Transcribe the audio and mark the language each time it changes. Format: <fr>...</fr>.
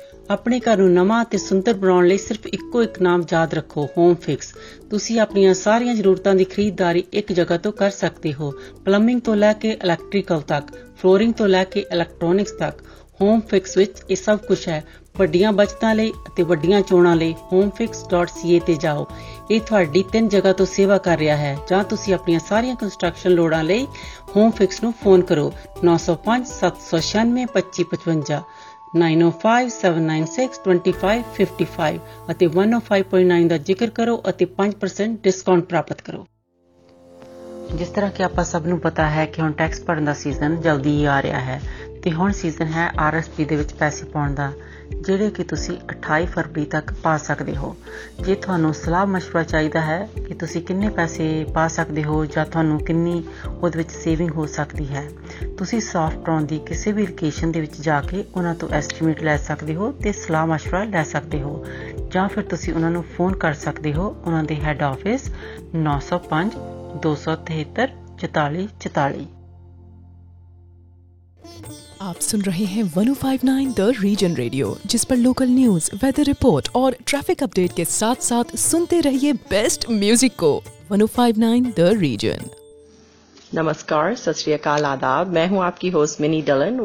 <pa>अपने घर नूं नवां अते सुंदर बनाउण लई सिर्फ इक्को इक नाम याद रखो, होम फिक्स। तुसीं अपनियां सारियां जरूरतां दी खरीददारी इक जगह तों कर सकते हो। पलंबिंग तों लै के इलैक्ट्रिकल तक, फ्लोरिंग तों लै के इलैक्ट्रॉनिक्स तक, होम फिक्स विच इह सब कुछ है। ਵੱਡੀਆਂ ਬਚਤਾਂ ਲਈ ਅਤੇ ਵੱਡੀਆਂ ਚੋਣਾਂ ਲਈ homefix.ca ਤੇ ਜਾਓ। ਇਹ ਤੁਹਾਡੀ ਤਿੰਨ ਜਗ੍ਹਾ ਤੋਂ ਸੇਵਾ ਕਰ ਰਿਹਾ ਹੈ। ਜਾਂ ਤੁਸੀਂ ਆਪਣੀਆਂ ਸਾਰੀਆਂ ਕੰਸਟਰਕਸ਼ਨ ਲੋੜਾਂ ਲਈ homefix ਨੂੰ ਫੋਨ ਕਰੋ 905-796-2555, 905-796-2555 ਅਤੇ 105.9 ਦਾ ਜ਼ਿਕਰ ਕਰੋ ਅਤੇ 5% ਡਿਸਕਾਊਂਟ ਪ੍ਰਾਪਤ ਕਰੋ। ਜਿਸ ਤਰ੍ਹਾਂ ਕਿ ਆਪਾਂ ਸਭ ਨੂੰ ਪਤਾ ਹੈ ਕਿ ਹੁਣ ਟੈਕਸ ਭਰਨ ਦਾ ਸੀਜ਼ਨ ਜਲਦੀ ਹੀ ਆ ਰਿਹਾ ਹੈ ਅਤੇ ਹੁਣ ਸੀਜ਼ਨ ਹੈ RSP ਦੇ ਵਿੱਚ ਪੈਸੇ ਪਾਉਣ ਦਾ, ਜਿਹੜੇ ਕਿ ਤੁਸੀਂ 28 ਫਰਵਰੀ ਤੱਕ ਪਾ ਸਕਦੇ ਹੋ। ਜੇ ਤੁਹਾਨੂੰ ਸਲਾਹ ਮਸ਼ਵਰਾ ਚਾਹੀਦਾ ਹੈ ਕਿ ਤੁਸੀਂ ਕਿੰਨੇ ਪੈਸੇ ਪਾ ਸਕਦੇ ਹੋ ਜਾਂ ਤੁਹਾਨੂੰ ਕਿੰਨੀ ਉਹਦੇ ਵਿੱਚ ਸੇਵਿੰਗ ਹੋ ਸਕਦੀ ਹੈ, ਤੁਸੀਂ ਸਾਫਟਰੋਨ ਦੀ ਕਿਸੇ ਵੀ ਲੋਕੇਸ਼ਨ ਦੇ ਵਿੱਚ ਜਾ ਕੇ ਉਹਨਾਂ ਤੋਂ ਐਸਟੀਮੇਟ ਲੈ ਸਕਦੇ ਹੋ ਅਤੇ ਸਲਾਹ ਮਸ਼ਵਰਾ ਲੈ ਸਕਦੇ ਹੋ। ਜਾਂ ਫਿਰ ਤੁਸੀਂ ਉਹਨਾਂ ਨੂੰ ਫੋਨ ਕਰ ਸਕਦੇ ਹੋ ਉਹਨਾਂ ਦੇ ਹੈੱਡ ਆਫਿਸ 905-273-4444।</pa> <hi>आप सुन रहे हैं 105.9 द रीजन रेडियो, जिस पर लोकल न्यूज, वेदर रिपोर्ट और ट्रैफिक अपडेट के साथ साथ सुनते रहिए बेस्ट म्यूजिक को 105.9 द रीजन। नमस्कार, सत श्री अकाल, आदाब। मैं हूं आपकी होस्ट मिनी डलन।</hi>